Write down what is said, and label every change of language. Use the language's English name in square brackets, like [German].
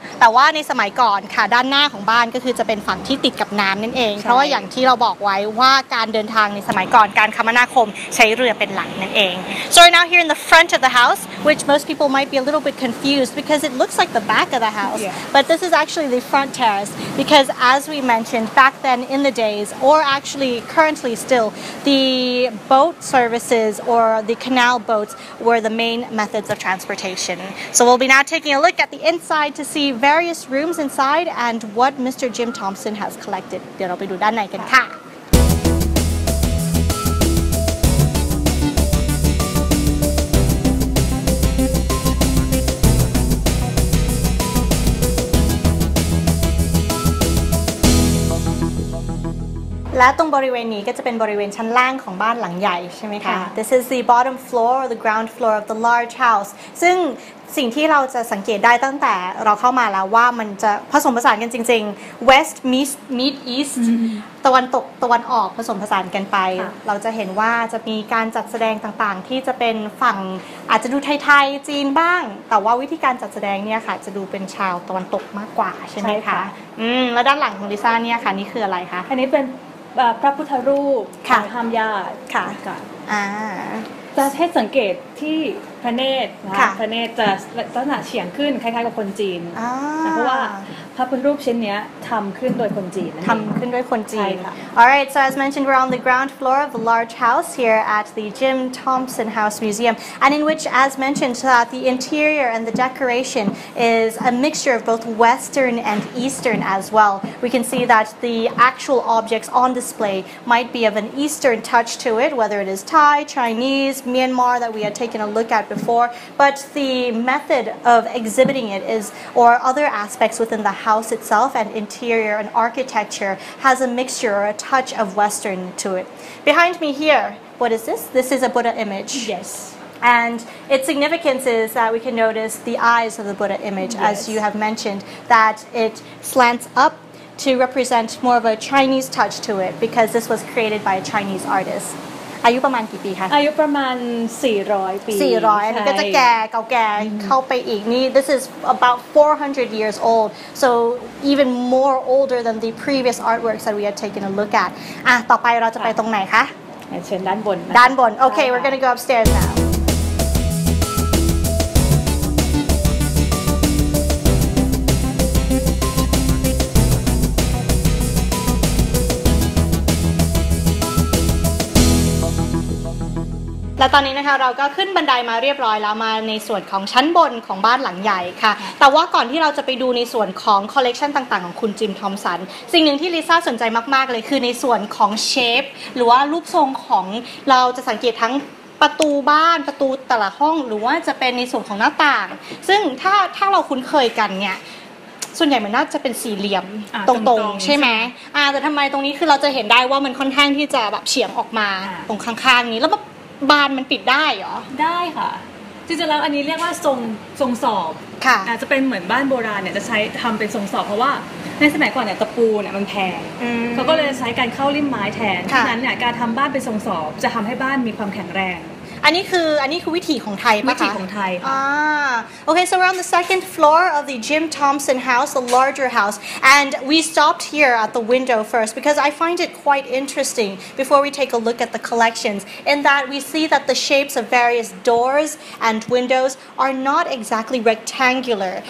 [Thai] แต่ว่าในสมัยก่อนค่ะด้านหน้าของบ้านก็คือจะเป็นฝั่งที่ติดกับน้ำนั่นเองเพราะว่าอย่างที่เราบอกไว้ว่าการเดินทางในสมัยก่อนการคมนาคมใช้เรือเป็นหลักนั่นเอง [English] So now here in the front of the house, which most people might be a little bit confused because it looks like the back of the house, but this is actually the front terrace because as we mentioned back then in the days or actually currently still. The boat services or the canal boats were the main methods of transportation. So we'll be now taking a look at the inside to see various rooms inside and what Mr. Jim Thompson has collected. [Thai] เดี๋ยวเราไปดูด้านในกันค่ะและตรงบริเวณนี้ก็จะเป็นบริเวณชั้นล่างของบ้านหลังใหญ่ใช่ไหมคะ [English] This is the bottom floor or the ground floor of the large house [Thai] ซึ่ง สิ่งที่เราจะสังเกตได้ตั้งแต่เราเข้ามาแล้วว่ามันจะผสมผสานกันจริงๆ [English] West meet East [Thai] ตะวันตกตะวันออกผสมผสานกันไปเราจะเห็นว่าจะมีการจัดแสดงต่างๆที่จะเป็นฝั่งอาจจะดูไทยๆจีนบ้างแต่ว่าวิธีการจัดแสดงเนี่ยค่ะจะดูเป็นชาวตะวันตกมากกว่าใช่ไหมคะและด้านหลังของลิซ่าเนี่ยค่ะนี่คืออะไรคะ อันนี้เป็นพระพุทธรูปของธรรมญาติ ค่ะ จะให้สังเกตที่พระเนตรน ะ พระเนตรจะลักษณะเฉียงขึ้นคล้ายๆกับคนจีนเพราะว่าพระพุทธรูปชิ้นนี้ทำขึ้นโดยคนจีน ทำขึ้นด้วยคนจีน [English] All right so as mentioned we're on the ground floor of the large house here at the Jim Thompson House Museum and in which as mentioned that the interior and the decoration is a mixture of both Western and Eastern as well we can see that the actual objects on display might be of an Eastern touch to it whether it is Thai Chinese Myanmar that we had taken a look at before but the method of exhibiting it is or other aspects within theHouse itself and interior and architecture has a mixture or a touch of Western to it. Behind me here, what is this? This is a Buddha image. Yes. And its significance is that we can notice the eyes of the Buddha image, yes. as you have mentioned, that it slants up to represent more of a Chinese touch to it because this was created by a Chinese artist. [Thai] อายุประมาณกี่ปีคะ อายุประมาณ400ปี 400ก็จะแก่เก่าแก่เข้าไปอีกนี่ [English] this is about 400 years old so even more older than the previous artworks that we had taken a look at [Thai] อ่ะต่อไปเราจะไปตรงไหนคะ เชิญด้านบน ด้านบน [English] okay we're gonna go upstairs nowและ [Thai] ตอนนี้นะคะเราก็ขึ้นบันไดมาเรียบร้อยแล้วมาในส่วนของชั้นบนของบ้านหลังใหญ่ค่ะแต่ว่าก่อนที่เราจะไปดูในส่วนของคอลเลกชันต่างๆของคุณจิมทอมสันสิ่งหนึ่งที่ลิซ่าสนใจมากๆเลยคือในส่วนของเชฟหรือว่ารูปทรงของเราจะสังเกตทั้งประตูบ้านประตูแต่ละห้องหรือว่าจะเป็นในส่วนของหน้าต่างซึ่งถ้าเราคุ้นเคยกันเนี่ย ส่วนใหญ่มันน่าจะเป็นสี่เหลี่ยมตรงใช่ไหมแต่ทำไมตรงนี้คือเราจะเห็นได้ว่ามันค่อนข้างที่จะแบบเฉียงออกมาตรงข้างๆนี้แล้วบานมันปิดได้เหรอ ได้ค่ะจริงๆแล้วอันนี้เรียกว่าทรงสอบ ค่ะ อาจจะเป็นเหมือนบ้านโบราณเนี่ยจะใช้ทำเป็นทรงสอบเพราะว่าในสมัยก่อนเนี่ยตะปูเนี่ยมันแพงเขาก็เลยใช้การเข้าริมไม้แทนฉะนั้นเนี่ยการทำบ้านเป็นทรงสอบจะทำให้บ้านมีความแข็งแรง อันนี้คือวิถีของไทยป่ะ วิถีของไทยค่ [English] ะOkay, so we're on the second floor of the Jim Thompson house, the larger house, and we stopped here at the window first because I find it quite interesting before we take a look at the collections in that we see that the shapes of various doors and windows are not exactly rectangular.